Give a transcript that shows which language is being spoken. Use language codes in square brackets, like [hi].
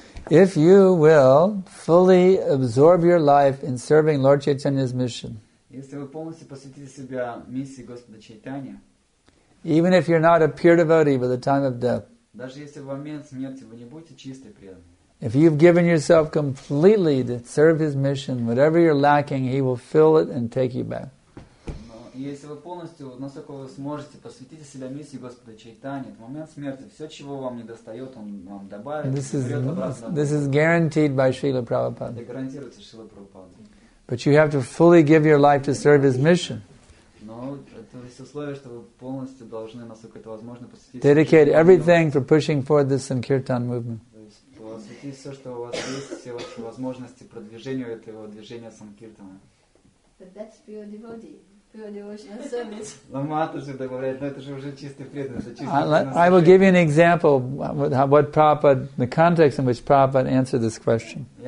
[en] If you will fully absorb your life in serving Lord Chaitanya's mission, [ru] если вы полностью посвятите себя миссии Господа Чайтанья, [en] even if you're not a pure devotee by the time of death, [ru] даже если в момент смерти вы не будете чистой преданной, [en] if you've given yourself completely to serve His mission, whatever you're lacking, He will fill it and take you back. [ru] Если вы полностью, насколько вы сможете, посвятите себя миссии Господа Чайтанья, в момент смерти все, чего вам не достает, Он вам добавит. [en] This is guaranteed by Srila Prabhupada. [ru] Это гарантируется Шрила Прабхупада. [en] But you have to fully give your life to serve His mission. [ru] Но это есть условие, что вы полностью должны, насколько это возможно, посвятить. [en] Dedicate everything for pushing forward this Sankirtan movement. [ru] Посвятите все, что у вас есть, все ваши возможности продвижению этого движения Санкиртана. [en] But that's pure devotee. Pure devotion service. I will give you an example of what Prabhupada, the context in which Prabhupada answered this question.